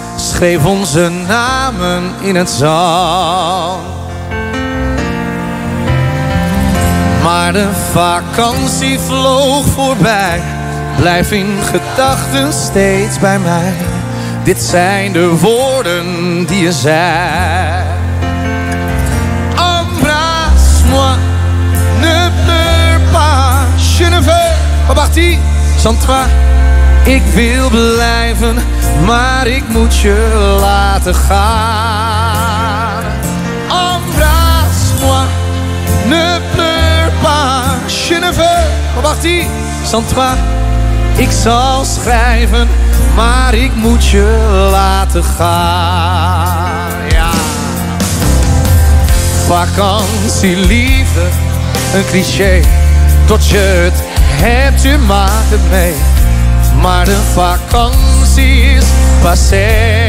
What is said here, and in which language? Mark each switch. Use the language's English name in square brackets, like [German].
[Dutch] Schreef onze namen in het zand. Maar de vakantie vloog voorbij. Blijf in gedachten steeds bij mij. Dit zijn de woorden die je zei. [French] Embrasse-moi, ne pleure pas, je ne veux pas partir sans toi. [Dutch] Ik wil blijven, maar ik moet je laten gaan. [French] Embrasse-moi, ne pleure pas, je ne veux pas partir sans toi. [Dutch] Ik zal schrijven, maar ik moet je laten gaan. Ja. Vakantie, liefde, een cliché. Tot je het hebt, je maakt het mee. Maar de vakantie is passé.